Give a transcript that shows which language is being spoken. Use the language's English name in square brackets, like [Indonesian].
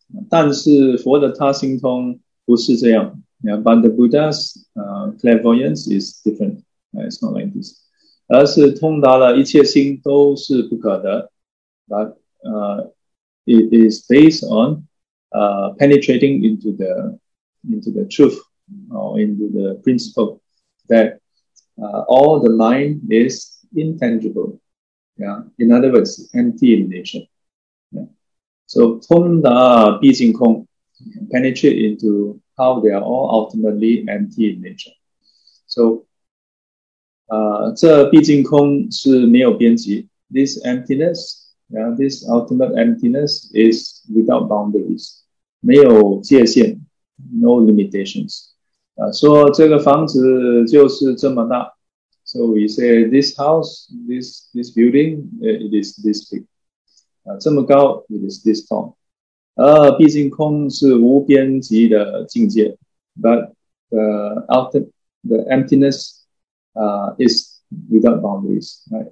[Chinese] 但是佛的他心通不是这样. [English] Yeah, but the Buddha's clairvoyance is different. It's not like this. [Chinese] 而是通达了一切心都是不可得. [English] But it is based on penetrating into the truth or into the principle that all the mind is intangible. Yeah, in other words, empty in nature. Yeah. So [Chinese] 通达毕竟空, [English] penetrate into how they are all ultimately empty in nature. [Chinese] So 这毕竟空是没有边际, [English] this emptiness. Yeah, this ultimate emptiness is without boundaries, [Chinese] 没有界限, [English] no limitations. [Chinese] So 这个房子就是这么大. [English] So we say this house, this building, it is this big. [Chinese] 这么高, [English] it is this tall. [Chinese] 毕竟空是无边际的境界, [English] but the emptiness is without boundaries. Right?